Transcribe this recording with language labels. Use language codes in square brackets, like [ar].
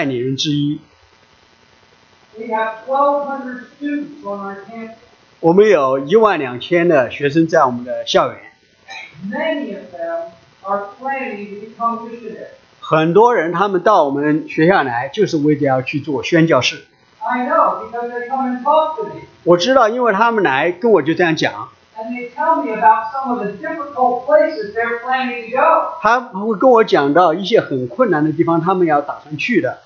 [zh] 我是在一个基督徒的大学里头做代理人之一。 [en] We have 1,200 students on our campus. [zh] 我们有12,000的学生在我们的校园。 [en] Many of them are planning to become missionaries. [zh] 很多人他们到我们学校来，就是为了要去做宣教士。 [en] I know because they come and talk to me. [zh] 我知道，因为他们来跟我就这样讲。 [en] And they tell me about some of the difficult places they're planning to go. [zh] 他会跟我讲到一些很困难的地方，他们要打算去的。